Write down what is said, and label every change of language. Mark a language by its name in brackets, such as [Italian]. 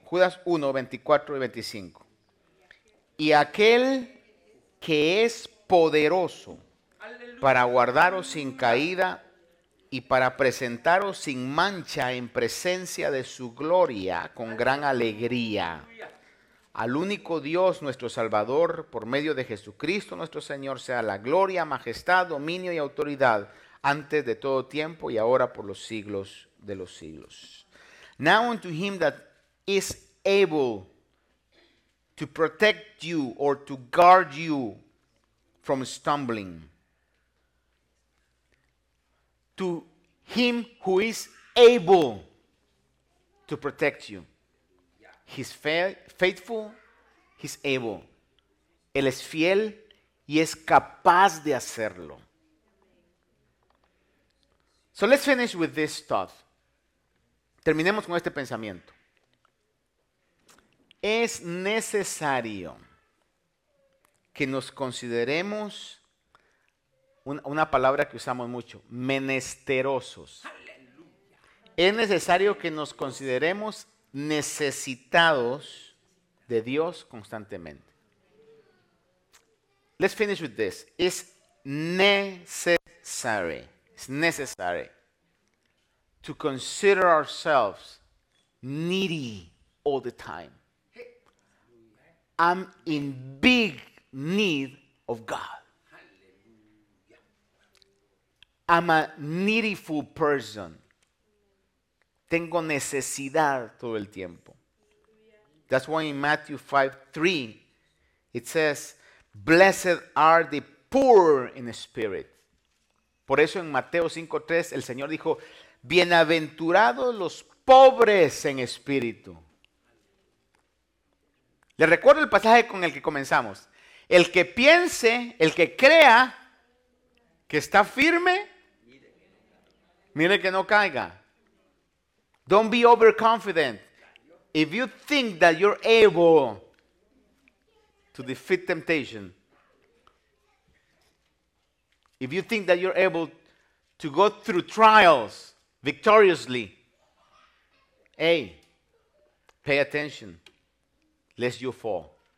[Spanish] Judas 1, 24 y 25. Y aquel que es poderoso para guardaros sin caída y para presentaros sin mancha en presencia de su gloria con gran alegría, al único Dios nuestro Salvador, por medio de Jesucristo nuestro Señor, sea la gloria, majestad, dominio y autoridad antes de todo tiempo y ahora por los siglos de los siglos. [English] Now unto him that is able to protect you or to guard you from stumbling, to him who is able to protect you. He's faithful, he's able. [Spanish] Él es fiel y es capaz de hacerlo. [English] So let's finish with this thought. [Spanish] Terminemos con este pensamiento. Es necesario que nos consideremos una palabra que usamos mucho, menesterosos. Es necesario que nos consideremos necesitados de Dios constantemente. [English] Let's finish with this. It's necessary. It's necessary to consider ourselves needy all the time. I'm in big need of God. I'm a needyful person. [Spanish] Tengo necesidad todo el tiempo. [English] That's why in Matthew 5:3 it says, "Blessed are the poor in spirit." [Spanish] Por eso en Mateo 5:3 el Señor dijo, "Bienaventurados los pobres en espíritu." Le recuerdo el pasaje con el que comenzamos. El que piense, el que crea que está firme, mire que no caiga. [English] Don't be overconfident. If you think that you're able to defeat temptation, if you think that you're able to go through trials victoriously, hey, pay attention, lest you fall.